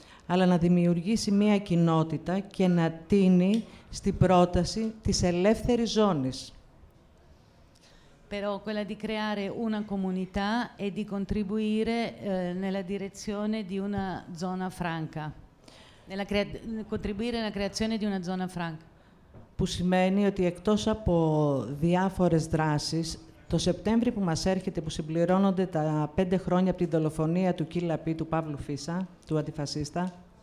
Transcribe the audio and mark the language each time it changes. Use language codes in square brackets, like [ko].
[el] Αλλά να δημιουργήσει μια κοινότητα και να τίνει στην πρόταση της ελεύθερης ζώνης. [it] Però quella di creare una comunità e di contribuire nella direzione di una zona franca. Nella contribuire alla creazione di una zona franca. [el] Που σημαίνει ότι εκτός από διάφορες δράσεις, το Σεπτέμβριο που μας έρχεται, που συμπληρώνονται τα 5 χρόνια από τη δολοφονία του Κίλα Πι, του Παύλου Φίσα, του αντιφασίστα.